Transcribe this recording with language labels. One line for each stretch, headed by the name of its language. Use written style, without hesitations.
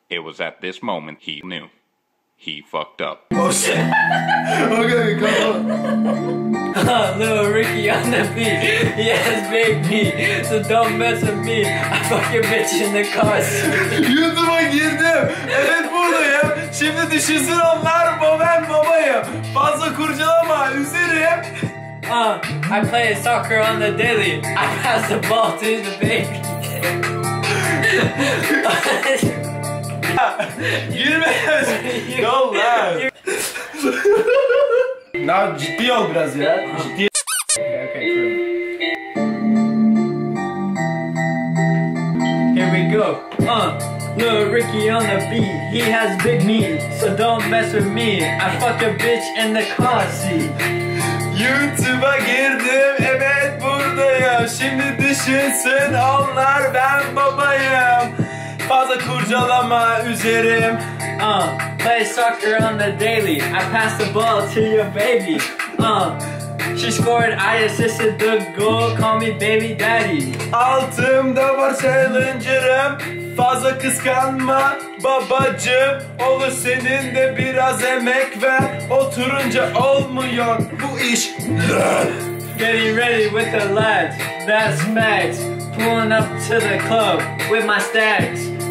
English: It was at this moment he knew he fucked up. Oh shit. Okay, come on. Little Ricky on the beat, he has big meat, so don't mess with me. I fuck your bitch in the car seat.
Turkish: YouTube'a girdim. Evet buradayım. Şimdi düşünsün onlar, ben babayım. Fazla kurcalama, üzerim.
English: I play soccer on the daily. I pass the ball to the baby.
Turkish: Girmez.
English: Don't laugh.
Turkish: Now, ciddi ol biraz ya. Ciddi.
English: Here we go. Little Ricky on the beat. He has big meat, so don't mess with me. I fuck a bitch in the car seat.
Turkish: YouTube'a girdim. Evet buradayım. Şimdi düşünsün onlar, ben babayım. Fazla kurcalama, üzerim.
English: Play soccer on the daily. I pass the ball to your baby. She scored, I assisted the goal. Call me baby daddy.
Turkish: Altımda var challenger'ım. Fazla kıskanma babacım. Olur senin de biraz emek ver. Oturunca olmuyor bu iş.
English: Getting ready with the lads. That's Max. Pulling up to the club with my stacks.